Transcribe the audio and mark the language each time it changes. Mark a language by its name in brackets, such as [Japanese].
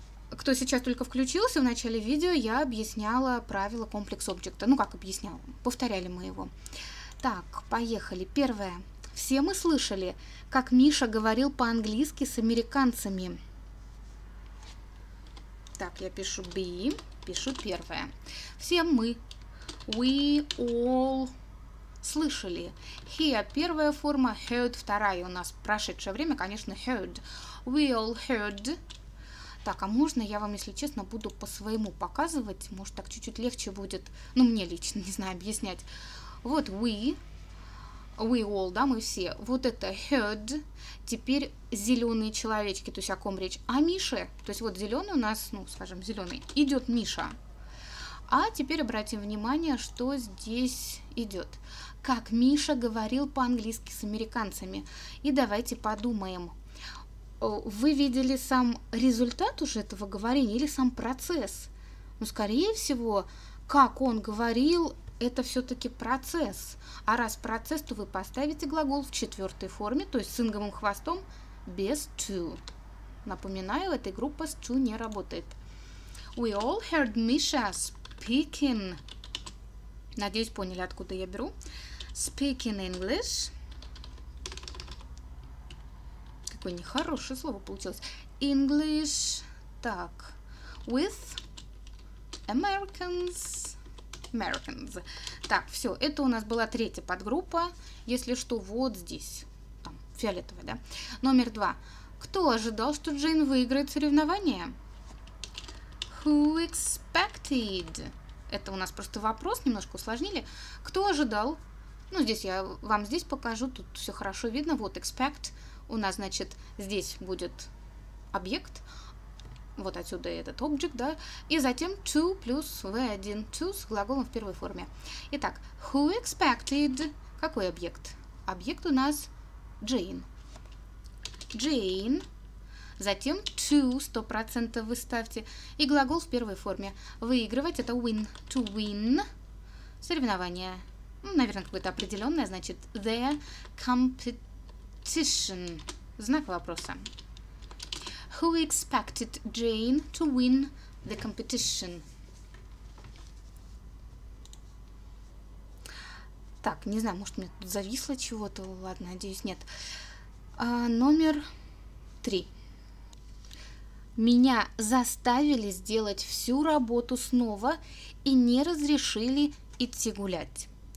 [Russian] Кто сейчас только включился, в начале видео я объясняла правила комплекс объекта. Ну как объясняла, повторяли мы его. Так, поехали. Первое. Все мы слышали, как Миша говорил по-английски с американцами. Так, я пишу be, пишу первое. Все мы. [English] We all [Russian] слышали. Hear – первая форма, heard – вторая. У нас прошедшее время, конечно, heard. [English] We all heard. [Russian] Так, а можно я вам, если честно, буду по-своему показывать? Может, так чуть-чуть легче будет, ну, мне лично, не знаю, объяснять. Вот we. [English] We all, [Russian] да, мы все. Вот это heard. Теперь зеленые человечки, то есть о ком речь? О Мише. То есть вот зеленый у нас, ну, скажем, зеленый. Идет Миша. А теперь обратим внимание, что здесь идет. Как Миша говорил по-английски с американцами. И давайте подумаем. Вы видели сам результат уже этого говорения или сам процесс? Ну, скорее всего, как он говорил, это все-таки процесс. А раз процесс, то вы поставите глагол в четвертой форме, то есть с инговым хвостом, без to. Напоминаю, эта группа с to не работает. [English] We all heard Misha speaking. [Russian] Надеюсь, поняли, откуда я беру. [English] Speaking English. [Russian] Какое нехорошее слово получилось. [English] English. [Russian] Так. [English] With Americans. Americans. [Russian] Так, все, это у нас была третья подгруппа. Если что, вот здесь. Там, фиолетовая, да? Номер два. Кто ожидал, что Джейн выиграет соревнование? [English] Who expected? [Russian] Это у нас просто вопрос, немножко усложнили. Кто ожидал? Ну, здесь я вам здесь покажу, тут все хорошо видно. Вот expect. У нас, значит, здесь будет объект. Вот отсюда этот object, да. И затем to плюс v1 to с глаголом в первой форме. Итак, who expected? Какой объект? Объект у нас Jane. [English] Jane. [Russian] Затем to 100% вы ставьте. И глагол в первой форме. Выигрывать – это win. [English] To win. [Russian] Соревнование. Наверное, какое-то определенное. Значит, [English] the competition. [Russian] Competition. Знак вопроса. [English] Who expected Jane to win the competition? [Russian] Так, не знаю, может, мне тут зависло чего-то. Ладно, надеюсь, нет. Номер три. Меня заставили сделать всю работу снова и не разрешили идти гулять.